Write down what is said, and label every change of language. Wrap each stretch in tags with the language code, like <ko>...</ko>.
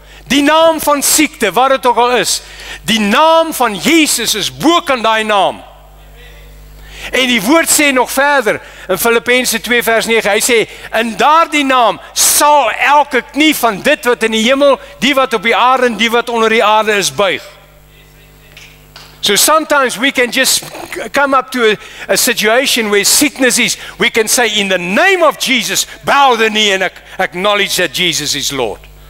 <af>Die naam van siekte, wat het ook al is. Die naam van Jesus is bokant die naam. En die woord sê nog verder, in Filippense 2 vers 9, hy sê, in daardie naam sal elke knie van dit wat in die hemel, die wat op die aarde en die wat onder die aarde is, buig.</af> <en>So sometimes we can just come up to a situation where sickness is, we can say in the name of Jesus, bow the knee and acknowledge that Jesus is Lord.</en>